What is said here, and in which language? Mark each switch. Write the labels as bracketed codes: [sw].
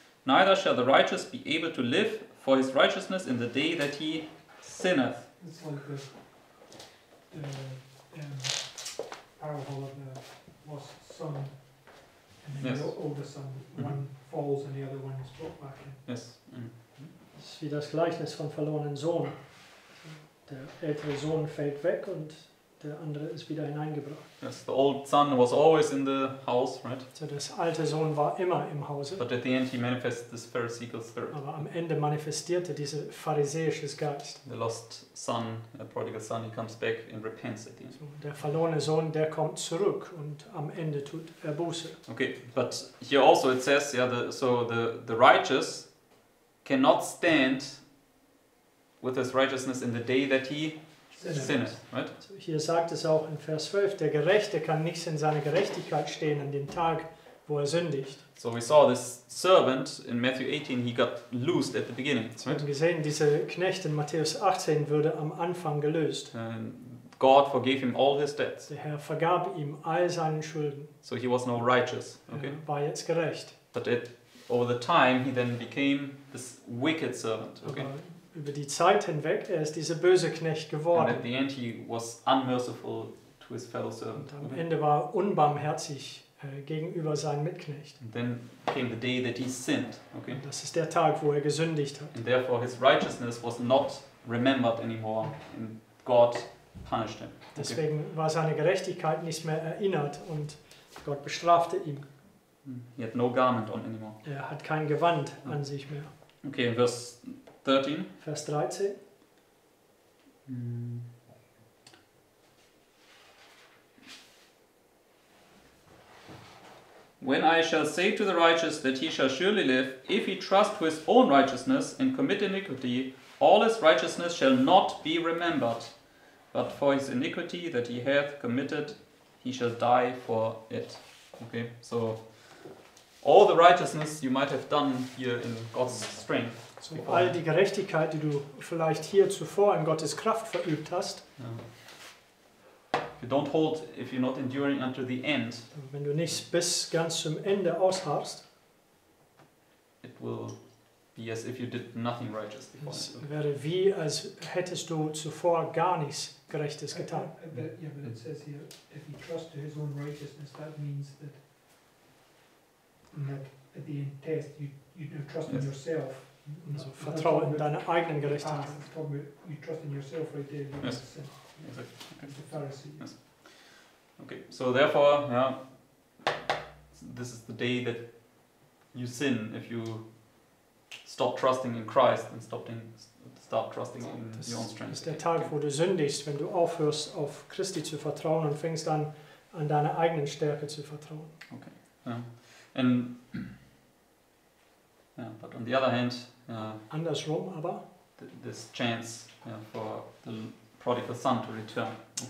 [en] Neither shall the righteous be able to live for his righteousness in the day that he sinneth. It's like the parable of the lost son and then yes. the older son. Mm-hmm. One falls and the other one is brought back in. Yes. Mm-hmm. [de] Es ist wie das Gleichnis vom verlorenen Sohn. Der ältere Sohn fällt weg und der andere ist wieder hineingebracht. [en] Yes, the old son was always in the house, right? [de] So das alte Sohn war immer im Hause. [en] But at the end he manifested this pharisaical spirit. [de] Aber am Ende manifestierte diese pharisäische Geist. [en] The lost son, the prodigal son, he comes back and repents at the end. [de] So der verlorene Sohn, der kommt zurück und am Ende tut er Buße. [en] Okay, but here also it says, yeah, the righteous cannot stand with his righteousness in the day that he sinneth, right? [de] Hier sagt es auch in Vers 12, der Gerechte kann nichts in seiner Gerechtigkeit stehen an dem Tag, wo er sündigt. [en] So we saw this servant in Matthew 18, he got loosed at the beginning. Right? [de] Wir haben gesehen, dieser Knecht in Matthäus 18 wurde am Anfang gelöst. [en] And God forgave him all his debts. [de] Der Herr vergab ihm all seine Schulden. [en] So he was now righteous. Okay. [de] Er war jetzt gerecht. [en] But it, over the time he then became this wicked servant. Okay. [de] Über die Zeit hinweg, er ist dieser böse Knecht geworden. [en] And at the end he was unmerciful to his fellow servant. [de] Und am Ende war er unbarmherzig gegenüber seinem Mitknecht. [en] And then came the day that he sinned. Okay. [de] Und das ist der Tag, wo er gesündigt hat. [en] And therefore his righteousness was not remembered anymore and God punished him. Okay. [de] Deswegen war seine Gerechtigkeit nicht mehr erinnert und Gott bestrafte ihn. [en] He had no garment on anymore. [de] Er hat kein Gewand an sich mehr. Okay, in Vers 13. Vers 13. [en] When I shall say to the righteous that he shall surely live, if he trust to his own righteousness and commit iniquity, all his righteousness shall not be remembered. But for his iniquity that he hath committed, he shall die for it. Okay, so all the righteousness you might have done here in God's strength. [de] So all die Gerechtigkeit, die du vielleicht hier zuvor in Gottes Kraft verübt hast, [en] if you don't hold, if you're not enduring until the end, [de] wenn du nicht bis ganz zum Ende ausharrst, [en] it will be as if you did nothing righteous before. [de] Es wäre wie, als hättest du zuvor gar nichts Gerechtes getan. [en] Yeah, but it says here, if he trusts to his own righteousness, that means that at the end test, you do trust in yourself. [de] Also vertraue in deine eigenen Gerechtigkeit. [en] You trust in yourself right there. Yes. The Pharisee. Yes. Okay, so therefore, yeah, this is the day that you sin if you stop trusting in Christ and start trusting in [de] das [en] your own strength. [de] Das ist der Tag, wo du sündigst, wenn du aufhörst, auf Christi zu vertrauen und fängst dann an deine eigenen Stärke zu vertrauen. [en] Okay, yeah. And yeah, but on the other hand, [de] andersrum aber, [en] this chance for the prodigal son to return. Okay.